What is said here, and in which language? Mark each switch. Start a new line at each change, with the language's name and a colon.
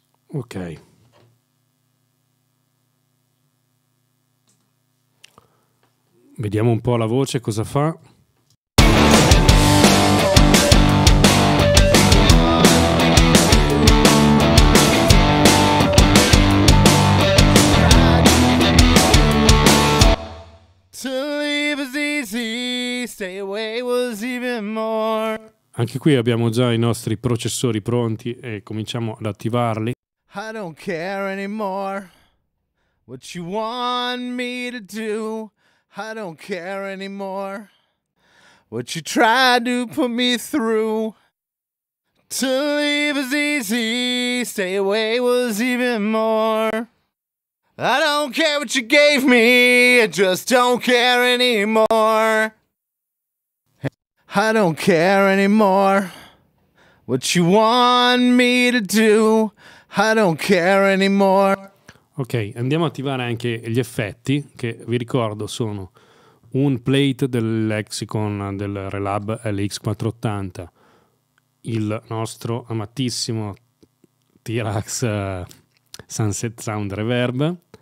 Italian: Ok. Vediamo un po' la voce cosa fa.
English: To leave was easy, stay away was even more.
Italian: Anche qui abbiamo già i nostri processori pronti e cominciamo ad attivarli.
English: I don't care anymore what you want me to do. I don't care anymore what you try to put me through. To leave was easy, stay away was even more. I don't care what you gave me, I just don't care anymore. I don't care anymore what you want me to do. I don't care anymore.
Italian: Ok, andiamo a attivare anche gli effetti, che vi ricordo sono un plate del Lexicon del Relab LX480, il nostro amatissimo T-Rax Sunset Sound Reverb.